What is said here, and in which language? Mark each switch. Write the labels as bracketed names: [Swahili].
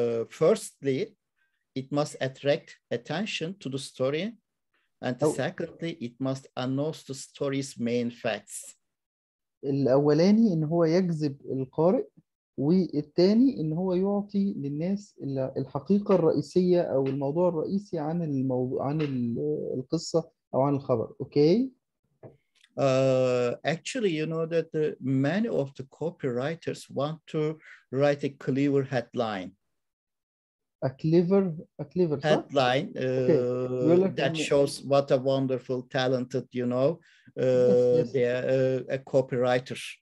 [English] Firstly, it must attract attention to the story, and secondly, it must announce the story's main facts. [Arabic] الأولاني إن هو يجذب القارئ، والثاني إن هو يعطي للناس الحقيقة الرئيسية أو الموضوع الرئيسي عن الموضوع عن القصة أو عن الخبر. أوكي. [English] Actually, you know that many of the copywriters want to write a clever headline. A clever headline that shows what a wonderful, talented, you know, they are a copywriter.